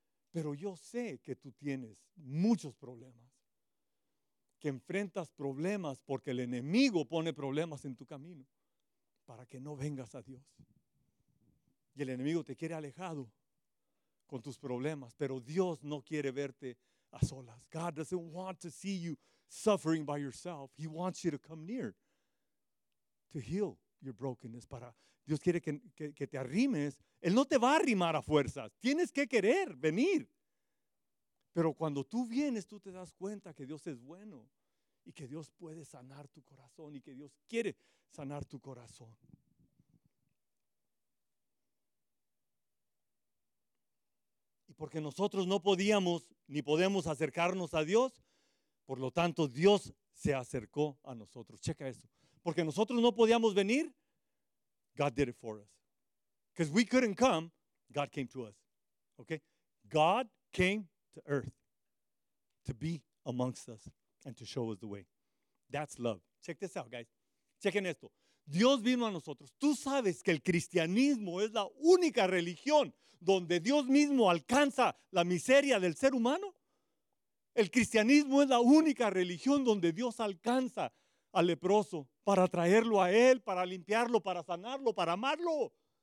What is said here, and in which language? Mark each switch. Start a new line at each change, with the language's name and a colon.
Spanish: Pero yo sé que tú tienes muchos problemas, que enfrentas problemas porque el enemigo pone problemas en tu camino para que no vengas a Dios. Y el enemigo te quiere alejado con tus problemas, pero Dios no quiere verte a solas.
English: God doesn't want to see you suffering by yourself. He wants you to come near. To heal your brokenness.
Spanish: Dios quiere que te arrimes. Él no te va a arrimar a fuerzas. Tienes que querer venir. Pero cuando tú vienes, tú te das cuenta que Dios es bueno. Y que Dios puede sanar tu corazón. Y que Dios quiere sanar tu corazón. Y porque nosotros no podíamos ni podemos acercarnos a Dios. Por lo tanto, Dios se acercó a nosotros. Checa eso. Porque nosotros no podíamos venir,
English: God did it for us. Because we couldn't come, God came to us. Okay? God came to earth to be amongst us and to show us the way. That's love. Check this out, guys.
Spanish: Chequen esto. Dios vino a nosotros. Tú sabes que el cristianismo es la única religión donde Dios mismo alcanza la miseria del ser humano. El cristianismo es la única religión donde Dios alcanza al leproso, para traerlo a él, para limpiarlo, para sanarlo, para amarlo.